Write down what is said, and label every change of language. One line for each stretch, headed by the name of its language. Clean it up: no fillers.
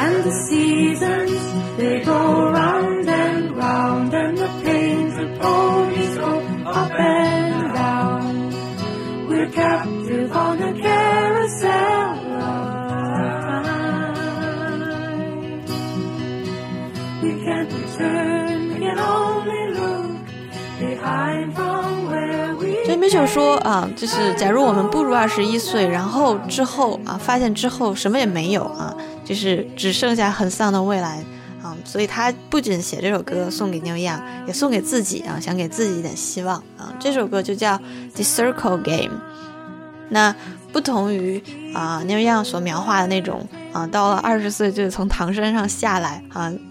English: The seasons, they go round and round, and the pains and ponies go up and down. We're captive on a carousel of time. We can't return, we can only look behind from where we came.
Chinese: 对 Mitchell 说啊，就是假如我们不如21岁，然后之后啊，发现之后什么也没有啊，就是只剩下很丧的未来啊，所以他不仅写这首歌送给 Neil Young， 也送给自己啊，想给自己一点希望啊。这首歌就叫 The Circle Game。那不同于Neil Young 所描画的那种啊，到了20岁就从唐山上下来啊，